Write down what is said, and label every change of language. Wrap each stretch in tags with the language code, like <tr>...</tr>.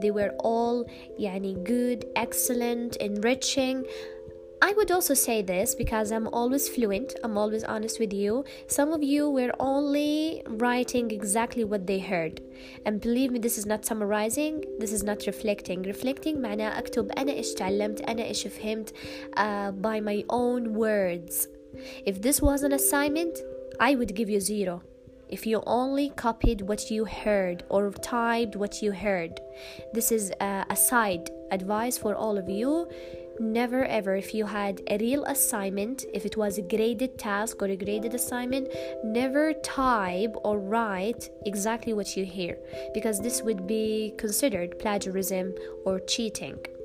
<en>They were all yani good, excellent, enriching. I would also say this because I'm always fluent, I'm always honest with you. Some of you were only writing exactly what they heard. And believe me, this is not summarizing, this is not reflecting.</en> <ar>Reflecting معناه أكتب أنا إيش تعلمت, أنا إيش فهمت</ar> <en>by my own words. If this was an assignment, I would give you zero. If you only copied what you heard or typed what you heard. This is a side advice for all of you. Never ever, if you had a real assignment, if it was a graded task or a graded assignment, never type or write exactly what you hear, because this would be considered plagiarism or cheating.</en>